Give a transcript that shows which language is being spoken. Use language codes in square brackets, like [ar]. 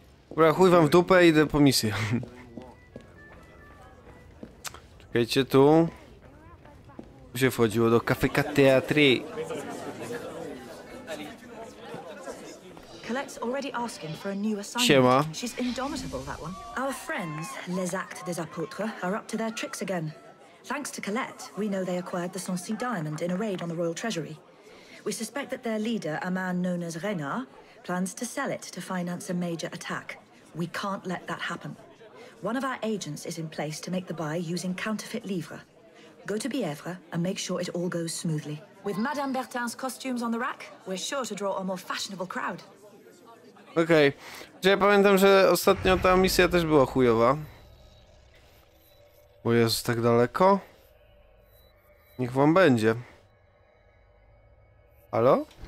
[pl] Dobra, chuj wam w dupę, idę po misję. Czekajcie tu. Tu się wchodziło do Café Teatry. [en] Colette's already asking for a new assignment. [pl] Siema. [en] She's indomitable, that one. Our friends, les actes des apôtres, are up to their tricks again. Thanks to Colette, we know they acquired the Sancy diamond in a raid on the royal treasury. We suspect that their leader, a man known as Renard, plans to sell it to finance a major attack. We can't let that happen. One of our agents is in place to make the buy using counterfeit livre. Go to Bievre and make sure it all goes smoothly. With Madame Bertin's costumes on the rack, we're sure to draw a more fashionable crowd. Okej, okay. [pl] Ja pamiętam, że ostatnio ta misja też była chujowa. Bo Jezus, tak daleko? Niech wam będzie. Halo?